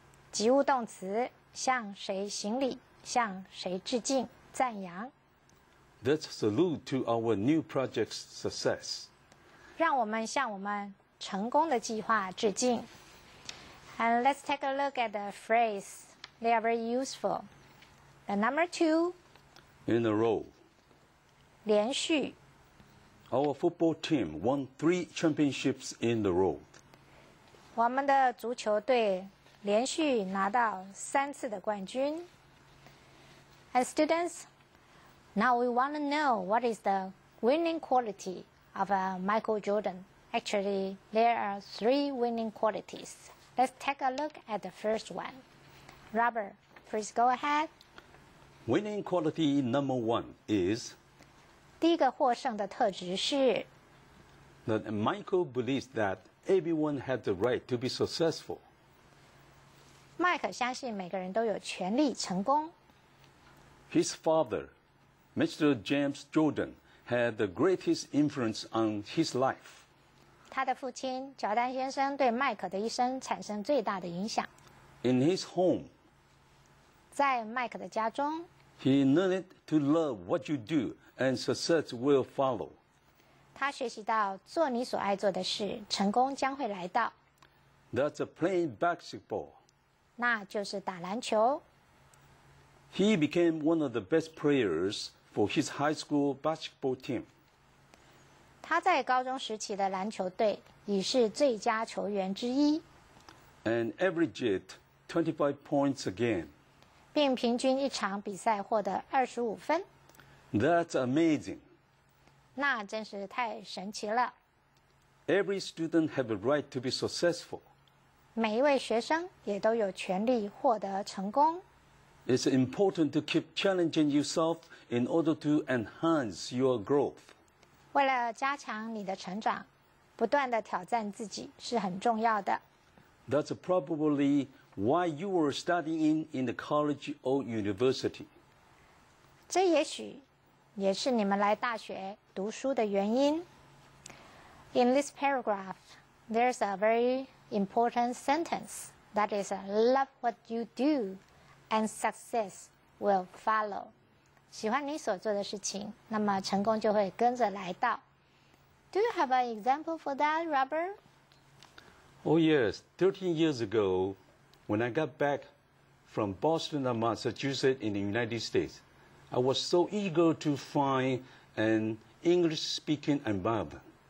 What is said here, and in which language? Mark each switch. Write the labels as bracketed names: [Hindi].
[Chinese] 及物动词，向谁行礼，向谁致敬，赞扬。 [English] Let's salute to our new project's success. [Chinese] 让我们向我们成功的计划致敬。 [English] And let's take a look at the phrase. They are very useful. The number 2. In a row. [Chinese] 连续。 [English] Our football team won 3 championships in a row. [Chinese] 我们的足球队连续拿到三次的冠军。 [English] And students, now we want to know what is the winning quality of Michael Jordan. Actually, there are 3 winning qualities. Let's take a look at the first one. Robert, please go ahead. Winning quality number one is [Chinese] 第一个获胜的特质是 [English] that Michael believes that everyone has the right to be successful. [Chinese] 麦克相信每个人都有权利成功。 [English] His father, Mr. James Jordan, had the greatest influence on his life. [Chinese] 他的父亲乔丹先生对麦克的一生产生最大的影响。 [English] In his home, [Chinese] 在麦克的家中 [English] He learned to love what you do, and success will follow. [Chinese] 他学习到做你所爱做的事，成功将会来到。 [English] That's a playing basketball. [Chinese] 那就是打篮球。 [English] He became one of the best players for his high school basketball team. [Chinese] 他在高中时期的篮球队已是最佳球员之一。 [English] And averaged 25 points a game. [Chinese] 并平均一场比赛获得25分。 [English] That's amazing. [Chinese] 那真是太神奇了。 [English] Every student has a right to be successful. [Chinese] 每一位学生也都有权利获得成功。 [English] It's important to keep challenging yourself in order to enhance your growth. [Chinese] 为了加强你的成长，不断地挑战自己是很重要的。 [English] That's probably... Why you were studying in the college or university? [Chinese] 这也许也是你们来大学读书的原因。 [English] In this paragraph, there's a very important sentence that is, love what you do and success will follow. [Chinese] 喜欢你所做的事情，那么成功就会跟着来到。 [English] Do you have an example for that, Robert? Oh yes, 13 years ago,When I got back from Boston and Massachusetts in the United States, I was so eager to find an English-speaking environment.